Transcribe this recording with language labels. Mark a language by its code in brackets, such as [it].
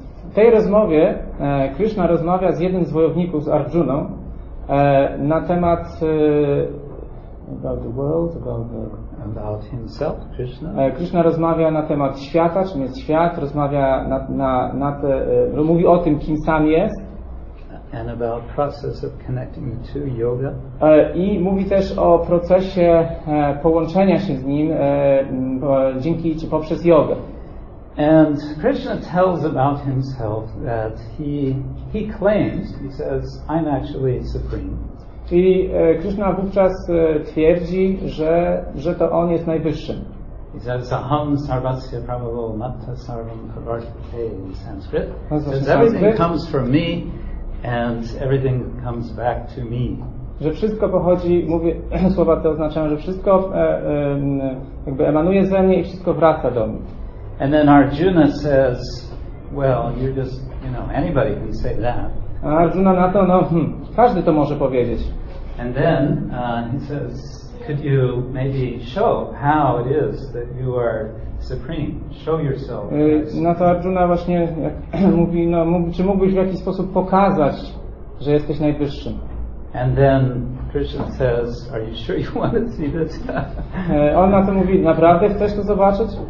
[pl] W tej rozmowie Krishna rozmawia z jednym z wojowników, z Arjuną, na temat [en] about the world, about himself, Krishna. [pl] Krishna rozmawia na temat świata, czym jest świat, rozmawia na te, mówi o tym, kim sam jest. [en] And about process of connecting the two, yoga. [pl] I mówi też o procesie połączenia się z nim dzięki czy poprzez jogę. [en] And Krishna tells about himself that he claims, he says, I'm actually supreme. [pl] I Krishna wówczas twierdzi, że to on jest najwyższy. [en] He says, [sa] aham sarvasya prabhavo matta sarvam pravartate [en] in Sanskrit. Everything comes from me and everything comes back to me. [pl] Że wszystko pochodzi, mówię, słowa te oznaczają, że wszystko jakby emanuje ze mnie i wszystko wraca do mnie. [en] And then Arjuna says, well, you're just, you know, anybody can say that. [pl] A Arjuna na to, no, każdy to może powiedzieć. [en] And then he says, could you maybe show how it is that you are supreme? Show yourself. [pl] No to Arjuna właśnie mówi, no, czy mógłbyś w jakiś sposób pokazać, że jesteś najwyższym? [en] And then Krishna says, are you sure you want to see this? [pl] On na to mówi, naprawdę chcesz to zobaczyć?